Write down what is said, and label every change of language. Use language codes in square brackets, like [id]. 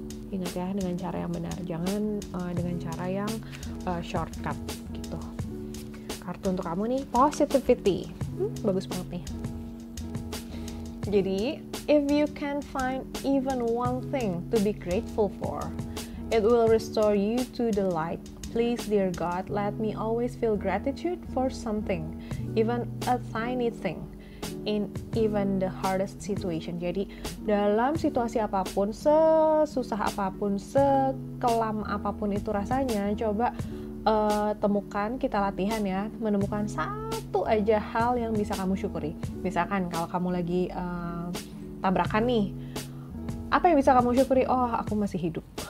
[id] Ingat ya, dengan cara yang benar, jangan dengan cara yang shortcut gitu. Kartu untuk kamu nih, positivity. Bagus banget nih. [en] Jadi, if you can find even one thing to be grateful for, it will restore you to the light. Please, dear God, let me always feel gratitude for something, even a tiny thing, in even the hardest situation. [id] Jadi, dalam situasi apapun, sesusah apapun, sekelam apapun itu rasanya, coba temukan, kita latihan ya, menemukan satu aja hal yang bisa kamu syukuri. Misalkan, kalau kamu lagi tabrakan nih, apa yang bisa kamu syukuri? Oh, aku masih hidup.